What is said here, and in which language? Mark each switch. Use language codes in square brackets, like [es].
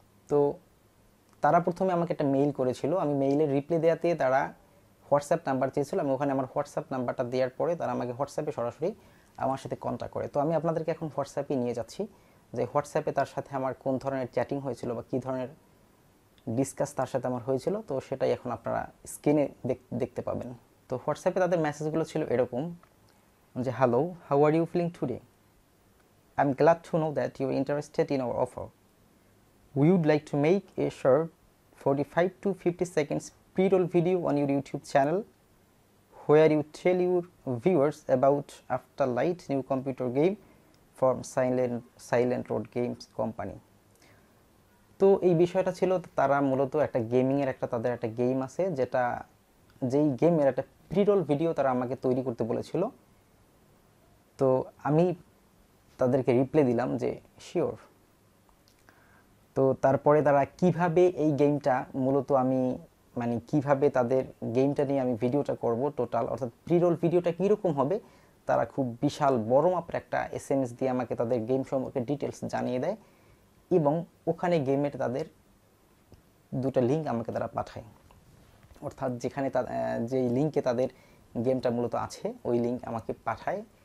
[bn] তো তারা প্রথমে আমাকে একটা মেইল করেছিল, আমি মেইলের রিপ্লাই দেওয়াতে তারা হোয়াটসঅ্যাপ নাম্বার চেয়েছিল, আমি ওখানে আমার হোয়াটসঅ্যাপ নাম্বারটা দেওয়ার পরে তারা আমাকে হোয়াটসঅ্যাপে সরাসরি আমার সাথে কন্ট্যাক্ট করে। তো আমি আপনাদেরকে এখন হোয়াটসঅ্যাপে নিয়ে যাচ্ছি যে হোয়াটসঅ্যাপে তার সাথে আমার কোন ধরনের চ্যাটিং হয়েছিল বা কী ধরনের ডিসকাস তার সাথে আমার হয়েছিল, তো সেটাই এখন আপনারা স্ক্রিনে দেখতে পাবেন। তো হোয়াটসঅ্যাপে তাদের মেসেজগুলো ছিল এরকম যে, [en] Hello, how are you feeling today? I'm glad to know that you're interested in our offer. We would like to make a short 45 to 50 seconds pre-roll video on your YouTube channel where you tell your viewers about Afterlight new computer game from Silent Road Games Company. [bn] তো এই বিষয়টা ছিল, তারা মূলত একটা গেমিংয়ের একটা তাদের একটা গেম আছে যেটা যেই গেমের একটা প্রিরোল ভিডিও তারা আমাকে তৈরি করতে বলেছিল। তো আমি তাদেরকে রিপ্লাই দিলাম যে শিওর। তো তারপরে তারা কীভাবে এই গেমটা মূলত আমি মানে কীভাবে তাদের গেমটা নিয়ে আমি ভিডিওটা করব টোটাল, অর্থাৎ প্রিরোল ভিডিওটা কীরকম হবে, তারা খুব বিশাল বড় মাপের একটা SMS দিয়ে আমাকে তাদের গেম সম্পর্কে ডিটেলস জানিয়ে দেয় এবং ওখানে গেমের তাদের দুটো লিঙ্ক আমাকে তারা পাঠায়, অর্থাৎ যেখানে যেই লিঙ্কে তাদের গেমটা মূলত আছে ওই লিঙ্ক আমাকে পাঠায়।